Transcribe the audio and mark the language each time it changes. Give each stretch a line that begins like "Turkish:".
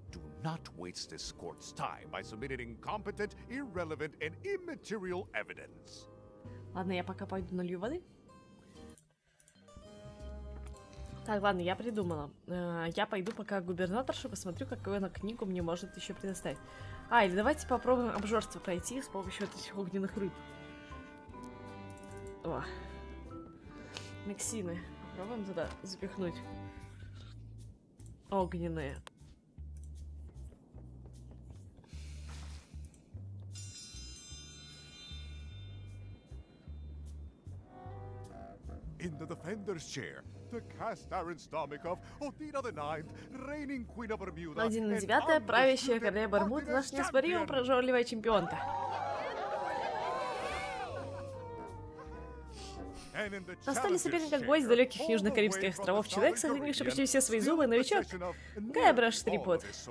English: Do not waste this court's time by submitting incompetent, irrelevant, and immaterial evidence.
Russian: Ладно, я пока пойду налью воды. Так, ладно, я придумала. Я пойду пока к губернаторше, посмотрю, какую она книгу мне может еще предоставить. А, или давайте попробуем обжорство пройти с помощью вот этих огненных рыб. О. Мексины. Попробуем туда запихнуть. Огненные.
English: In the defender's chair, the cast iron stomach of Odina the Ninth, reigning queen of Bermuda.
Russian: Один на девятое, правящая королева Бермуды, наша неоспоримо прожорливая чемпионка. На столе соперника гвоздь с далеких южно-карибских островов человек, сохранивший почти все свои зубы, новичок Гайбраш Трипвуд.